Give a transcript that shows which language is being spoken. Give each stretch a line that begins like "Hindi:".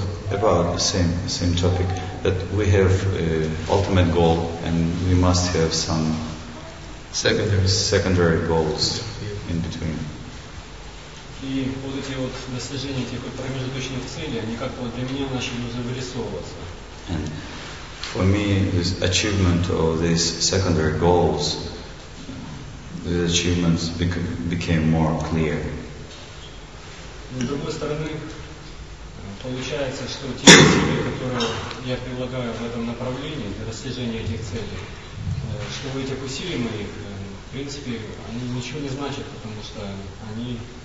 English: About the same topic, that we have ultimate goal, and we must have some secondary goals in between.
Russian: И вот эти вот достижения, эти вот промежуточных целей, они как-то вот для меня начали уже вырисовываться.
English: And for me, this achievement of these secondary goals, these achievements became more clear.
Russian: Но, с другой стороны, получается, что те усилия, которые я прилагаю в этом направлении, для достижения этих целей, что в этих усилий моих, в принципе, они ничего не значат, потому что они